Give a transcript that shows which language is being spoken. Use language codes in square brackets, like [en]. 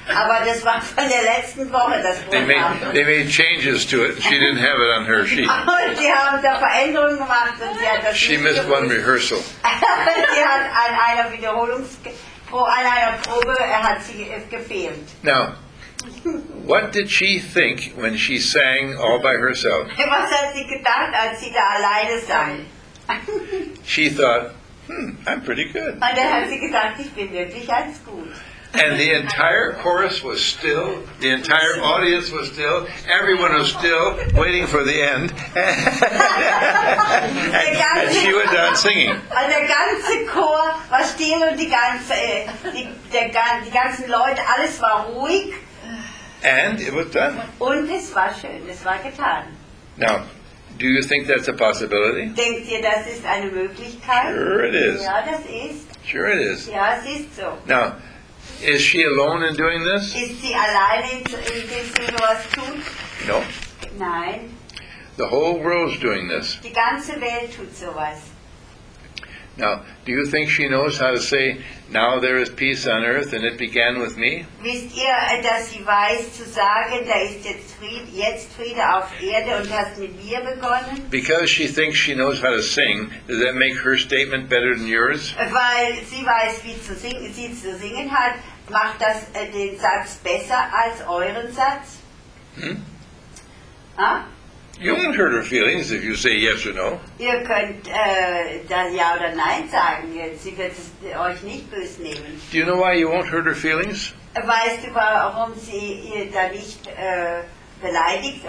[de] Aber das war von der letzten Woche das Programm. [en] They made changes to it. She didn't have it on her sheet. [de] Und sie haben da Veränderungen gemacht und sie hat das. [en] She missed one rehearsal. [de] Sie hat an einer Probe hat sie gefehlt. [en] Now, what did she think when she sang all by herself? [de] Was hat sie gedacht, als sie da alleine sang? [en] She thought, I'm pretty good. [de] Und dann hat sie gesagt, ich bin wirklich ganz gut. [en] And the entire chorus was still, the entire audience was still, everyone was still waiting for the end. And she went on singing. [de] Und der ganze Chor war still und die ganzen Leute, alles war ruhig. [en] And it was done. [de] Und es war schön, es war getan. [en] Now, do you think that's a possibility? [de] Denkt ihr, das ist eine Möglichkeit? [en] Sure it is. [de] Ja, das ist. [en] Sure it is. [de] Ja, es ist so. [en] Now, is she alone in doing this? [de] Ist sie alleine in dem, was tut? [en] No. [de] Nein. [en] The whole world is doing this. [de] Die ganze Welt tut sowas. [en] Now, do you think she knows how to say, now there is peace on earth and it began with me? [de] Wisst ihr, dass sie weiß zu sagen, da ist jetzt Friede auf Erde und hat mit mir begonnen? [en] Because she thinks she knows how to sing, does that make her statement better than yours? [de] Weil sie weiß, wie zu singen, sie zu singen hat, macht das den Satz besser als euren Satz? [en] You won't hurt her feelings if you say yes or no. [de] Ihr könnt dann ja oder nein sagen. Sie wird es euch nicht böse nehmen. [en] Do you know why you won't hurt her feelings? [de] Weißt du, warum sie ihr da nicht beleidigt